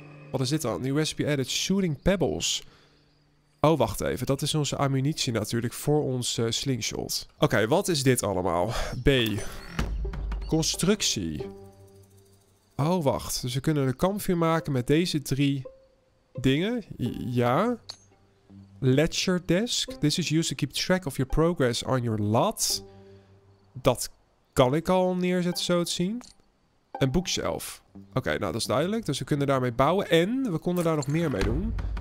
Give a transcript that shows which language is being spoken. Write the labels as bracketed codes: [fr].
[nl] Wat is dit dan? [en] New recipe added. Shooting pebbles. [nl] Oh, wacht even. Dat is onze ammunitie natuurlijk voor ons slingshot. Oké, wat is dit allemaal? B. Constructie. Oh, wacht. Dus we kunnen een kampvuur maken met deze drie dingen. Ja. Ledger desk. [en] This is used to keep track of your progress on your lot. [nl] Dat kan ik al neerzetten, zo te zien. Een bookshelf. Oké, okay, nou, dat is duidelijk. Dus we kunnen daarmee bouwen. En we konden daar nog meer mee doen.